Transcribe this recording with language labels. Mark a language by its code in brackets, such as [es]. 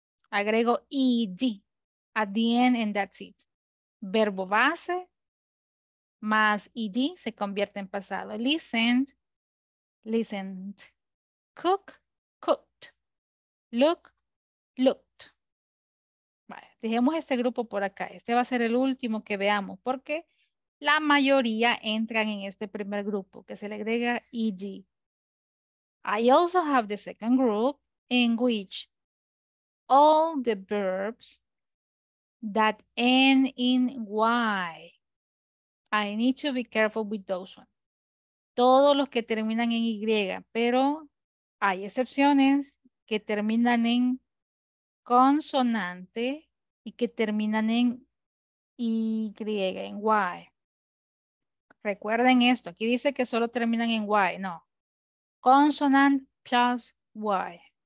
[es] Agrego [en] ed at the end and that's it. [es] Verbo base más ed se convierte en pasado. [en] Listened, listened. Cook, cooked. Look, looked. [es] Vale, dejemos este grupo por acá. Este va a ser el último que veamos porque la mayoría entran en este primer grupo que se le agrega ed. [en] I also have the second group in which all the verbs that end in y. I need to be careful with those ones. [es] Todos los que terminan en y, pero hay excepciones que terminan en consonante y que terminan en y, en y. Recuerden esto, aquí dice que solo terminan en y, no. [en] Consonant plus y.